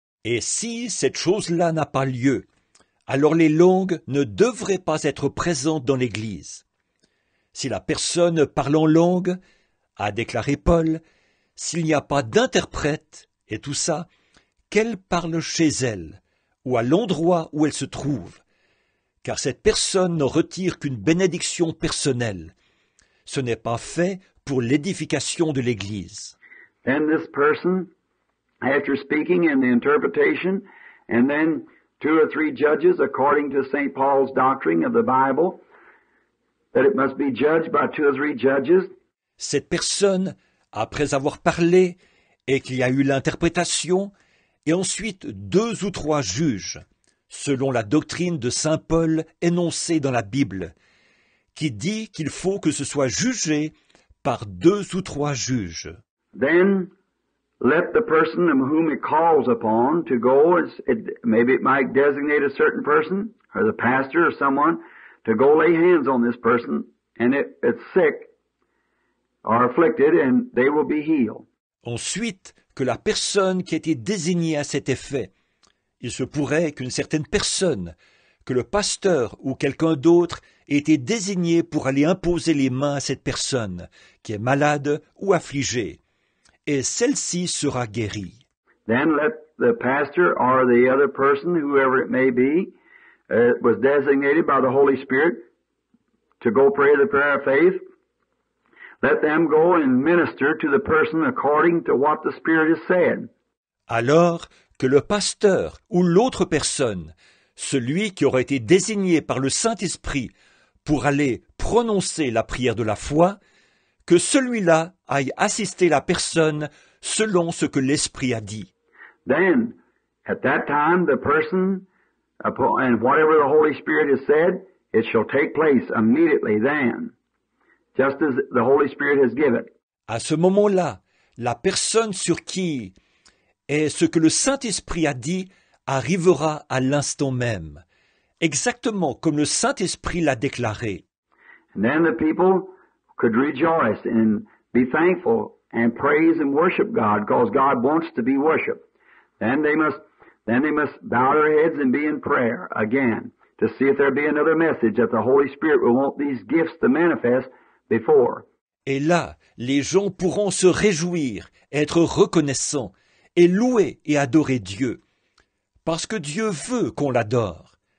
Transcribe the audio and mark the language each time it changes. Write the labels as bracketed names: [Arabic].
[French] Et si cette chose-là n'a pas lieu, alors les langues ne devraient pas être présentes dans l'Église. Si la personne parle en langue, a déclaré Paul, s'il n'y a pas d'interprète et tout ça, qu'elle parle chez elle ou à l'endroit où elle se trouve, car cette personne ne retire qu'une bénédiction personnelle. Ce n'est pas fait pour l'édification de l'Église. [English] Then this person, after speaking in the interpretation, and then two or three judges, according to St. Paul's doctrine of the Bible, that it must be judged by two or three judges. [French] Cette personne, après avoir parlé et qu'il y a eu l'interprétation, et ensuite deux ou trois juges, selon la doctrine de Saint Paul énoncée dans la Bible, qui dit qu'il faut que ce soit jugé par deux ou trois juges. [English] Then let the person whom it calls upon to go, maybe it might designate a certain person, or the pastor or someone, to go lay hands on this person, and it's sick, or afflicted, and they will be healed. [French] Ensuite, que la personne qui a été désignée à cet effet, il se pourrait qu'une certaine personne, que le pasteur ou quelqu'un d'autre ait été désigné pour aller imposer les mains à cette personne qui est malade ou affligée, et celle-ci sera guérie. [English] Then let the pastor or the other person, whoever it may be, was designated by the Holy Spirit to go pray the prayer of faith. Let them go and minister to the person according to what the Spirit has said. [French] Alors, que le pasteur ou l'autre personne, celui qui aurait été désigné par le Saint-Esprit pour aller prononcer la prière de la foi, que celui-là aille assister la personne selon ce que l'Esprit a dit. [English] Then, at that time, the person, and whatever the Holy Spirit has said, it shall take place immediately then. Just as the Holy Spirit has given. [French] À ce moment-là, la personne sur qui est ce que le Saint-Esprit a dit arrivera à l'instant même, exactement comme le Saint-Esprit l'a déclaré. [English] And then the people could rejoice and be thankful and praise and worship God, because God wants to be worshipped. Then they must bow their heads and be in prayer again to see if there be another message that the Holy Spirit will want these gifts to manifest. [French] Et là, les gens pourront se réjouir, être reconnaissants et louer et adorer Dieu, parce que Dieu veut qu'on l'adore.